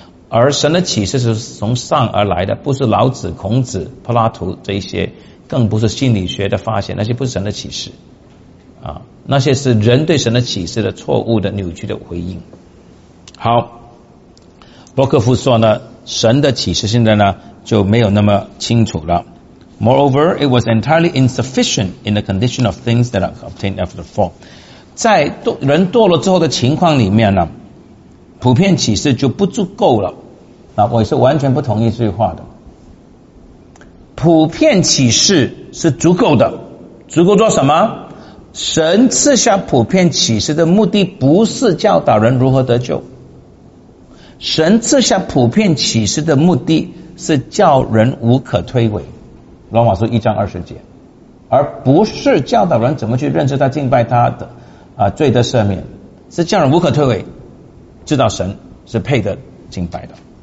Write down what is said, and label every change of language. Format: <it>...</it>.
<zh>而神的启示是从上而来的，不是老子、孔子、柏拉图这一些，更不是心理学的发现，那些不是神的启示啊，那些是人对神的启示的错误的扭曲的回应。好，伯克夫说呢，神的启示现在呢就没有那么清楚了。</zh> <en>Moreover, it was entirely insufficient in the condition of things that are obtained after the fall.</en> <zh>在人堕落之后的情况里面呢，普遍启示就不足够了。那我是完全不同意这句话的。普遍启示是足够的，足够做什么？神赐下普遍启示的目的不是教导人如何得救，神赐下普遍启示的目的是叫人无可推诿，罗马书一章二十节，而不是教导人怎么去认识他、敬拜他的啊罪的赦免，是叫人无可推诿，知道神是配得敬拜的。</zh>